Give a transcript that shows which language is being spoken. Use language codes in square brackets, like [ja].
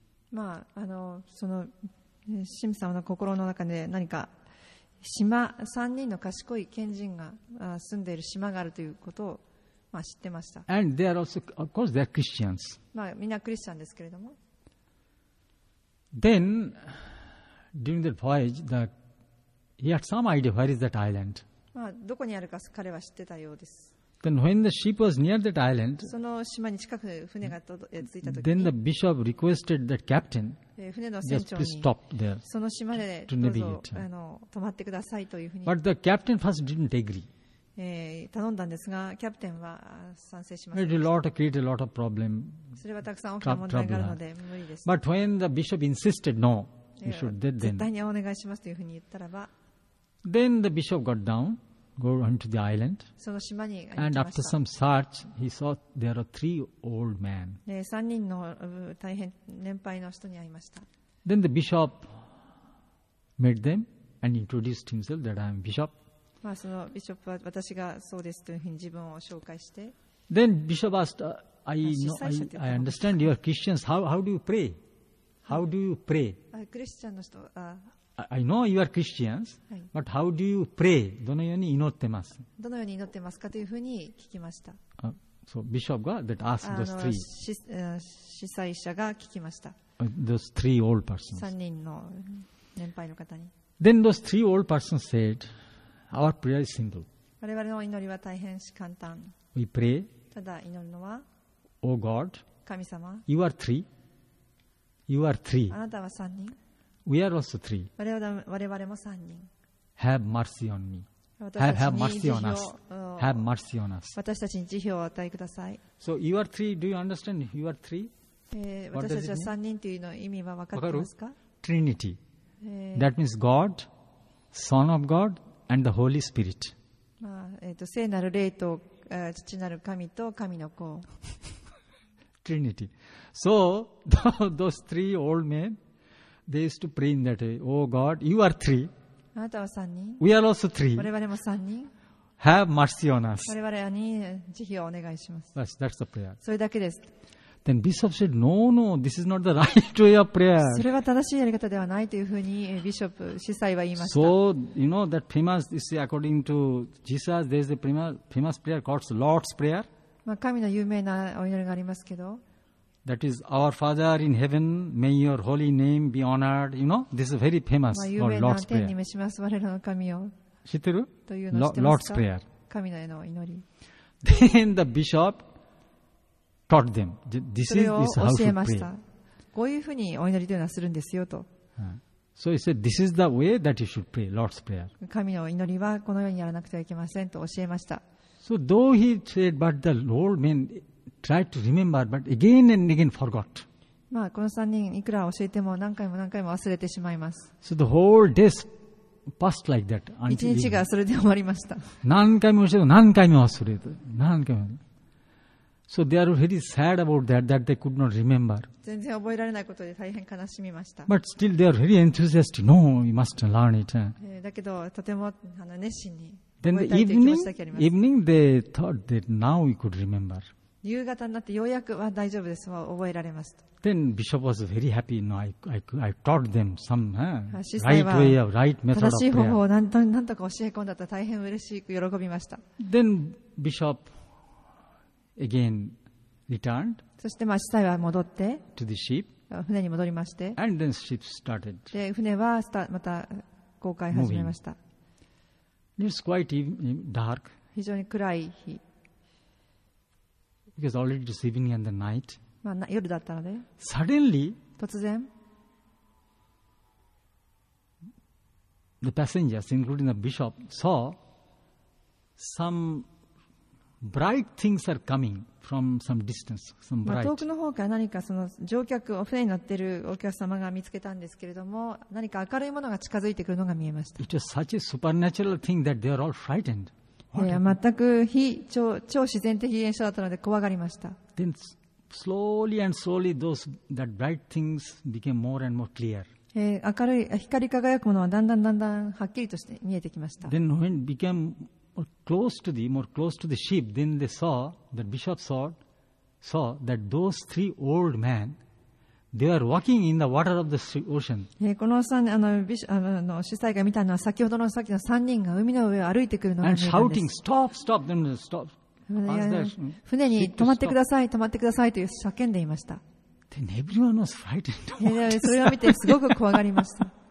[ja] まあその神父様の心の中で何か島、三人の賢い賢人が住んでいる島があるということを。まあ、知ってました。 [en] And they are also, of course, they are Christians. [ja] まあ、みんなクリスチャンですけれども。 [en] Then, during that voyage, he had some idea where is that island. [ja] まあ、どこにあるか彼は知ってたようです。 [en] Then when the ship was near that island, [ja] その島に近く船が着いた時に、 [en] then the bishop requested that captain, [ja] 船の船長に、 [en] just stop there, [ja] その島でどうぞ止まってくださいというふうに。 [en] But the captain first didn't agree. [ja] 頼んだんですが、キャプテンは賛成しました [en] 。 It will lot of create a lot of problem. [ja] それはたくさん大きな問題があるので無理です。 [en] But when the bishop insisted, no, you should then. [ja] 絶対にお願いしますというふうに言ったらば、 [en] then the bishop got down, go onto the island. [ja] その島に行きました。 [en] And after some search, he saw there are three old men. [ja] 三人の大変年配の人に会いました。 [en] Then the bishop met them and introduced himself that I am bishop. [ja] まあ、そのビショップは私がそうですというふうに自分を紹介して、 [en] Then bishop asked, I understand you are Christians. How do you pray? How do you pray? [ja] クリスチャンの人、 [en] I know you are Christians, but how do you pray? [ja] どのように祈ってます？どのように祈ってますかというふうに聞きました。 [en] So bishop got that asked those three. [ja] 司祭者が聞きました。 [en] Those three old persons. [ja] 三人の年配の方に。 [en] Then those three old persons said. Our prayer is simple. [ja] 我々の祈りは大変し簡単。 [en] We pray. [ja] ただ祈るのは、 [en] O God, [ja] 神様、 [en] You are three. You are three. [ja] あなたは三人。 [en] We are also three. [ja] 我々も三人。 [en] Have mercy on me. Have mercy on us. Have mercy on us. [ja] 私たちに慈悲を与えください。 [en] So you are three. Do you understand? You are three. [ja] 私たちは三人というの意味は分かってますか？ [en] Trinity. That means God, Son of God. And the Holy Spirit. [ja] まあ聖なる霊と父なる神と神の子。 [en] Trinity. So those three old men, they used to pray in that way. Oh God, you are three. [ja] あなたは三人。 [en] We are also three. [ja] 我々も三人。 [en] Have mercy on us. [ja] 我々に慈悲をお願いします。 [en] That's the prayer. [ja] それだけです。 [en] Then bishop said, "No, no, this is not the right way of prayer." [ja] それは正しいやり方ではないというふうにビショップ司祭は言いました。 [en] So you know that famous, this is according to Jesus, there is a famous prayer called Lord's Prayer. [ja] まあ神の有名なお祈りがありますけど。 [en] That is our Father in heaven, may your holy name be honored. You know, this is very famous for Lord's Prayer. [ja] 有名な天に召します我々の神を。知ってる？というのを知ってますか [en] Lord's Prayer. [ja] 神のへの祈り。 [en] Then the bishop. Taught them. This [ja] それを教えました。こういうふうにお祈りというのはするんですよと。 [en] So he said, this is the way that you should pray, Lord's Prayer. [ja] 神の祈りはこのようにやらなくてはいけませんと教えました。 [en] So though he said, but the old men tried to remember, but again and again forgot. [ja] まあ、この3人いくら教えても何回も何回も忘れてしまいます。 [en] So the whole day passed like that. [ja] 一日がそれで終わりました。何回も教えても何回も忘れて、何回も。 [en] So they are very sad about that, that they could not remember. [ja] 全然覚えられないことで大変悲しみました。 [en] But still they are very enthusiastic. No, you must learn it. [ja] だけどとても熱心に。 [en] Then the evening they thought that now we could remember. [ja] 夕方になってようやくは大丈夫です。覚えられますと。 [en] Then Bishop was very happy. No, I taught them some right way of right method of prayer. [ja] 正しい方法を何とか教え込んだと大変嬉しく喜びました。 [en] Then Bishop again returned. [ja] そしてまあ司祭は戻って [en] to the ship. [ja] 船に戻りまして [en] and then ship started. [ja] で船はまた航海始めました。 [en] It was quite dark. [ja] 非常に暗い日。 [en] Because already it was evening and the night. [ja] まあ夜だったので。 [en] Suddenly, [ja] 突然、 [en] the passengers, including the bishop, saw some bright things are coming from some distance. Some bright. [ja] 遠くの方から何かその乗客、お船に乗っているお客様が見つけたんですけれども、何か明るいものが近づいてくるのが見えました。 [en] It was such a supernatural thing that they are all frightened. [ja] いや、全く非超、超自然的現象だったので怖がりました。 [en] Then slowly and slowly those that bright things became more and more clear. [ja] 明るい、光り輝くものはだんだんだんだんはっきりとして見えてきました。 [en] Then when it became more close to the ship, then they saw, the bishop saw that those three old men, they are walking in the water of the ocean. [ja] この3人、司祭が見たのは先ほどのさっきの3人が海の上を歩いてくるのが見えたんです。 [en] And shouting, stop, stop, then stop. [ja] 船に止まってください、止まってくださいと叫んでいました。 [en] Then everyone was frightened. [ja] それを見てすごく怖がりました。